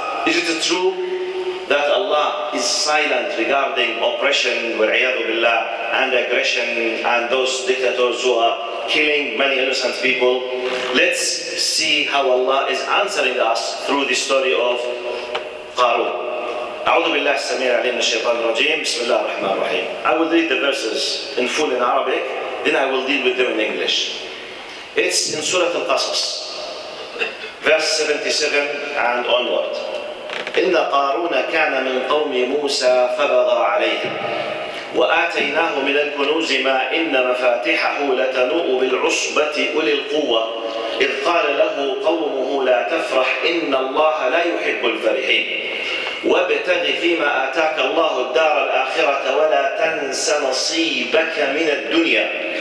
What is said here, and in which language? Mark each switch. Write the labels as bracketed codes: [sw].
[en] Is it true that Allah is silent regarding oppression, wal-iyadu billah, and aggression, and those dictators who are killing many innocent people? Let's see how Allah is answering us through the story of Qarun. [ar] أعوذ بالله السميع العليم من الشيطان الرجيم. بسم الله الرحمن الرحيم. [en] I will read the verses in full in Arabic, then I will deal with them in English. It's in Surah Al-Qasas, verse 77 and onward. [ar] إِنَّ قَارُونَ كَانَ مِنْ قَوْمِ مُوسَى فَبَغَى عَلَيْهِمْ وَآتَيْنَاهُ مِنَ الْكُنُوزِ مَا إِنَّ مَفَاتِحَهُ لَتَنُوءُ بِالْعُصْبَةِ أُولِي الْقُوَّةِ إِذْ قَالَ لَهُ قَوْمُهُ لَا تَفْرَحْ إِنَّ اللَّهَ لَا يُحِبُّ الْفَرِحِينَ وَابْتَغِ فِيمَا آتَاكَ اللَّهُ الدَّارَ الْآخِرَةَ وَلَا تَنْسَ نَصِيبَكَ مِنَ الدُّنْيَا